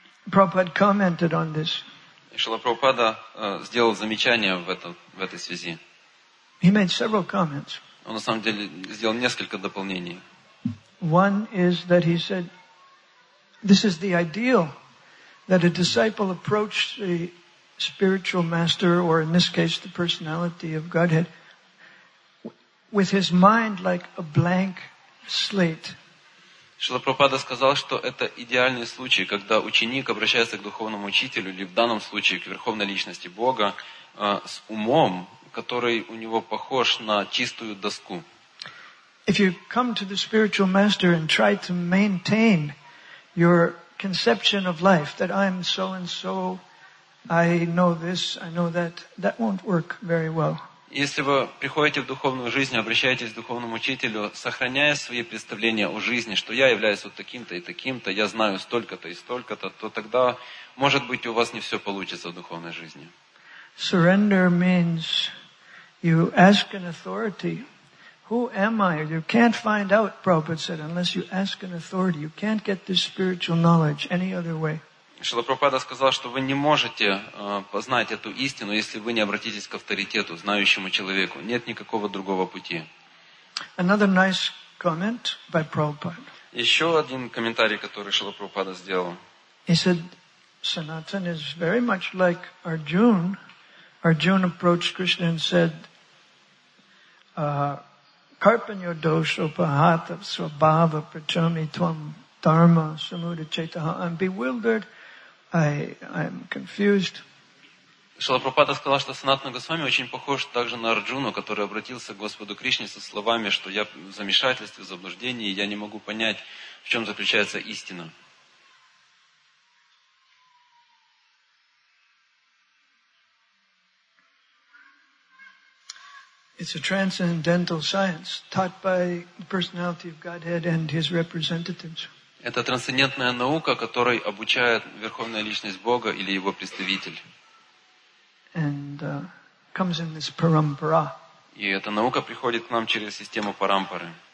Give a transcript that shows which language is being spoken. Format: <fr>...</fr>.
<en>Prabhupada commented on this.</en> <ru>Шрила Прабхупада сделал замечание в этой связи.</ru> <en>He made several comments.</en> <ru>Он на самом деле сделал несколько дополнений.</ru> <en>One is that he said, this is the ideal that a disciple approach the spiritual master, or in this case, the personality of Godhead, with his mind like a blank slate.</en> <ru>Шрила Прабхупада сказал, что это идеальный случай, когда ученик обращается к духовному учителю, или в данном случае к Верховной Личности Бога, с умом, который у него похож на чистую доску.</ru> <en>If you come to the spiritual master and try to maintain your conception of life, that I'm so and so, I know this, I know that, that won't work very well.</en> <ru>Если вы приходите в духовную жизнь, обращаетесь к духовному учителю, сохраняя свои представления о жизни, что я являюсь вот таким-то и таким-то, я знаю столько-то и столько-то, то тогда, может быть, у вас не все получится в духовной жизни.</ru> <en>Surrender means you ask an authority. Who am I? You can't find out, Prabhupada said, unless you ask an authority. You can't get this spiritual knowledge any other way.</en> <ru>Шрила Прабхупада сказал, что вы не можете познать эту истину, если вы не обратитесь к авторитету, знающему человеку. Нет никакого другого пути.</ru> <en>Another nice comment by Prabhupada.</en> <ru>Еще один комментарий, который Шрила Прабхупада сделал.</ru> <en>He said, Sanatan is very much like Arjuna. Arjuna approached Krishna and said,</en> <sa>Karpanyo doshopahata svabhava prachami tvam dharma samudachetaha.</sa> <en>I'm bewildered. I'm confused.</en> <ru>Шрила Прабхупада сказал, что Санатана Госвами очень похож также на Арджуну, который обратился к Господу Кришне со словами, что я в замешательстве, в заблуждении, я не могу понять, в чем заключается истина.</ru> <en>It's a transcendental science taught by the personality of Godhead and his representatives.</en> <ru>Это трансцендентная наука, которой обучает верховная личность Бога или его представитель.</ru> <en>And comes in this parampara.</en> <ru>И эта наука приходит к нам через систему парампары.</ru>